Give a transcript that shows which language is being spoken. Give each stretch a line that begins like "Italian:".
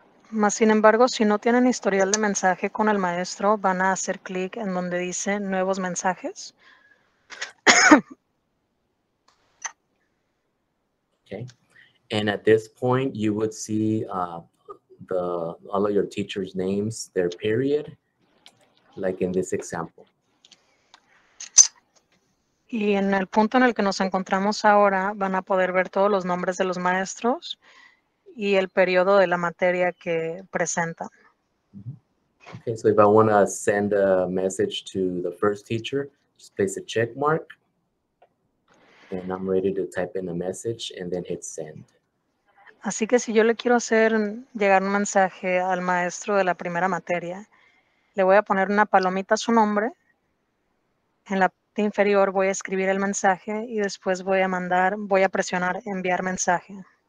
Spanish: Mas sin embargo, si no tienen historial de mensaje con el maestro, van a hacer clic en donde dice nuevos mensajes.
English: Okay. And at this point, you would see all of your teachers' names, their period, like in this example.
Spanish: Y en el punto en el que nos encontramos ahora, van a poder ver todos los nombres de los maestros y el periodo de la materia que presentan.
English: Okay, so if I want to send a message to the first teacher, just place a check mark. And I'm ready to type in a message and then hit send.
Spanish: Así que si yo le quiero hacer llegar un mensaje al maestro de la primera materia, le voy a poner una palomita a su nombre en la de inferior voy a escribir el mensaje y después voy a mandar, voy a presionar enviar mensaje.